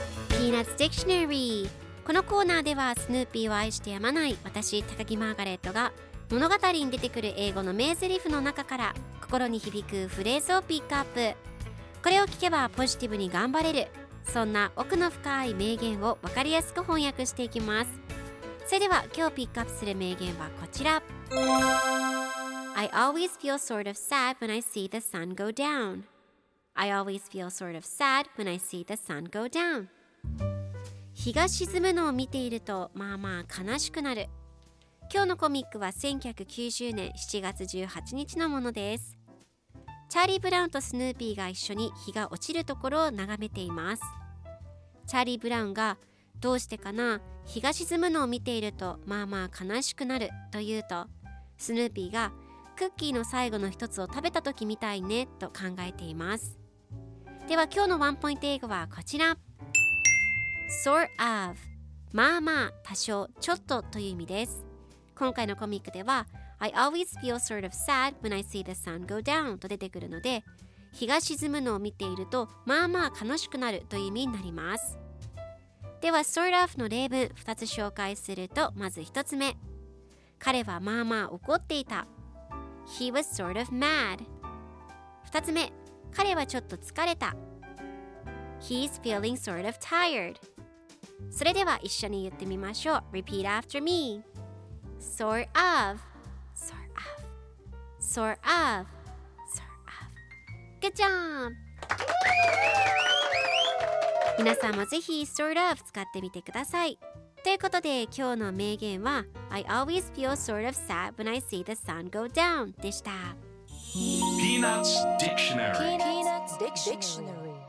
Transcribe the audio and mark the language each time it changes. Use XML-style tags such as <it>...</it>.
<ja>ピーナッツ・ディクショナリー。このコーナーではスヌーピーを愛してやまない私、高木マーガレットが物語に出てくる英語の名台詞の中から心に響くフレーズをピックアップ。これを聞けばポジティブに頑張れる、そんな奥の深い名言を分かりやすく翻訳していきます。それでは今日ピックアップする名言はこちら。</ja> <en>I always feel sort of sad when I see the sun go down. I always feel sort of sad when I see the sun go down.</en> <ja>日が沈むのを見ているとまあまあ悲しくなる。今日のコミックは1990年7月18日のものです。チャーリー・ブラウンとスヌーピーが一緒に日が落ちるところを眺めています。チャーリー・ブラウンがどうしてかな、日が沈むのを見ているとまあまあ悲しくなると言うと、スヌーピーがクッキーの最後の一つを食べた時みたいねと考えています。では今日のワンポイント英語はこちら。Sort of、 まあまあ、多少、ちょっとという意味です。今回のコミックでは</ja> <en>I always feel sort of sad when I see the sun go down</en> <ja>と出てくるので、日が沈むのを見ているとまあまあ悲しくなるという意味になります。では Sort of の例文2つ紹介すると、まず1つ目、彼はまあまあ怒っていた。</ja> <en>He was sort of mad。</en> <ja>2つ目、彼はちょっと疲れた。</ja> <en>He's feeling sort of tired。</en> <ja>それでは一緒に言ってみましょう。</ja> <en>Repeat after me。 Sort of、 Sort of、 Sort of、 Sort of。 Good job。</en> <ja>皆さんもぜひ Sort of 使ってみてください。ということで今日の名言は</ja> <en>I always feel sort of sad when I see the sun go down</en> <ja>でした。ピーナッツ・ディクショナリー。ピーナッツ・ディクショナリー。</ja>